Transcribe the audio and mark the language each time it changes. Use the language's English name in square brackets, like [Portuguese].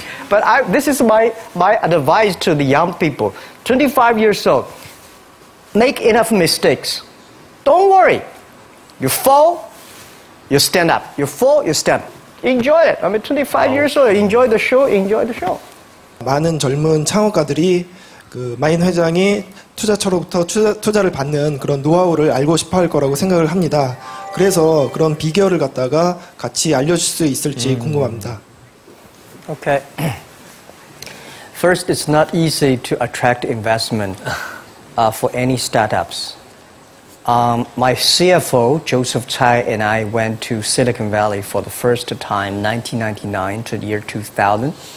[English] But this is my advice to the young people. 25 years old, make enough mistakes. Don't worry. You fall, you stand up. You fall, you stand up. Enjoy it. I mean, 25 years old, enjoy the show, enjoy the show. [Korean] 많은 젊은 창업가들이 마인 회장이 투자처로부터 투자를 받는 그런 노하우를 알고 싶어 할 거라고 생각을 합니다. 그래서 그런 비결을 갖다가 같이 알려줄 수 있을지 궁금합니다. [English] Okay. First, it's not easy to attract investment for any startups. My CFO, Joseph Tsai, and I went to Silicon Valley for the first time, 1999 to the year 2000.